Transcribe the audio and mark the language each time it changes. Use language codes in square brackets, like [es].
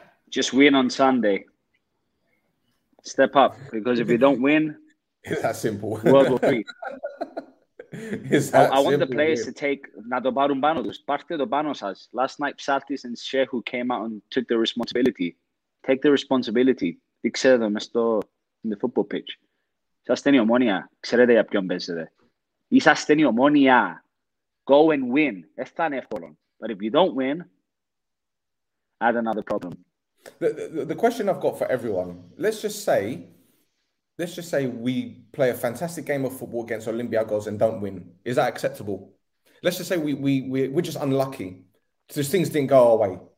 [en] Just win on Sunday. Step up, because if we don't win, it's that simple. World will be. I want the players to take Nadobarun Banos, parte do Banos has. Last night, Psaltis and Shehu came out and took the responsibility. Take the responsibility. [el] Ξέρετε μες το [en] in the football pitch. [el] Είσαστε η Ομόνοια. Ξέρετε για ποιον παίζετε. Είσαστε η Ομόνοια. [en] Go and win. [el] Θα είναι εύκολο. [en] But if you don't win, add another problem. The question I've got for everyone, let's just say we play a fantastic game of football against Olympiacos and don't win. Is that acceptable? Let's just say we're just unlucky. So things didn't go our way.